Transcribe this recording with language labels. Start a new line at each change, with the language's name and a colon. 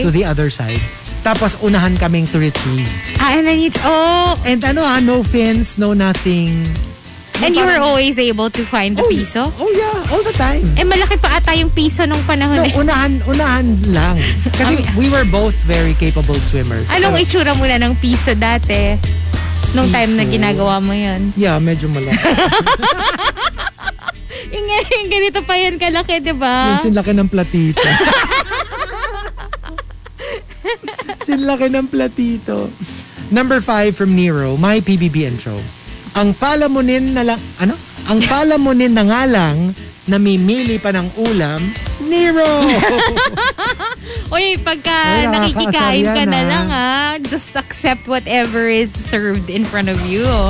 English: To the other side.
Filipino: Tapos unahan kaming
English: to retrieve. And ano ah, no fins, no nothing. Always able to find the piso? Oh yeah, all the time.
Filipino: Eh malaki pa ata yung piso nung panahon eh. No, unahan lang.
English: Kasi we were both very capable swimmers.
Filipino: Anong itsura muna ng piso dati? Nung time na ginagawa mo yun. Yeah, medyo malaki. Yung ganito pa yun kalaki, di ba? Yung sinlaki ng platito. Sinlaki ng platito.
English: Number 5 from Nero, my PBB intro.
Filipino: Ang palamunin na lang, ano? Ang palamunin na nga lang, namimili pa ng ulam, Nero! Uy, pagka nakikikain ka na lang, ha?
English: Just accept whatever is served in front of you.